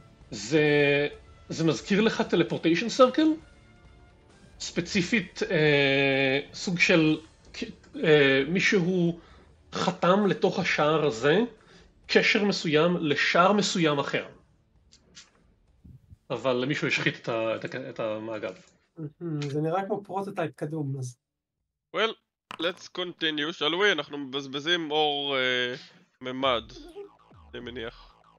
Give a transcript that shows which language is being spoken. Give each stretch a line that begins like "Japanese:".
Hebrew: זה מזכיר לך טלפורטיישן סרקל? ספציפית סוג של מישהו חתם לתוך השער הזה קשר מסוים לשער מסוים אחר, אבל למישהו השחית את המאגב. זה נראה כמו פרוטוטייפ קדום. אז
English: well, let's continue, shall we?
Hebrew: אנחנו מבזבזים אור ממד, אני מניח.